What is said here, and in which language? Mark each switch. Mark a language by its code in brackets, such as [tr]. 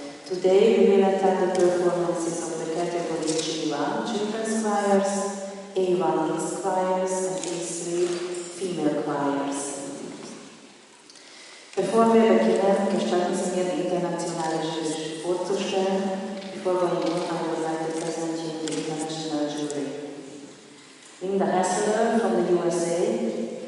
[en] Today we will attend the performances of the category G1 children's choirs, A1 mixed choirs, and A3 female choirs. [de] Bevor wir beginnen, gestatten Sie mir, die internationale Jury vorzustellen. [en] Before going on, I would like to present you the international jury. Linda Hessler from the USA.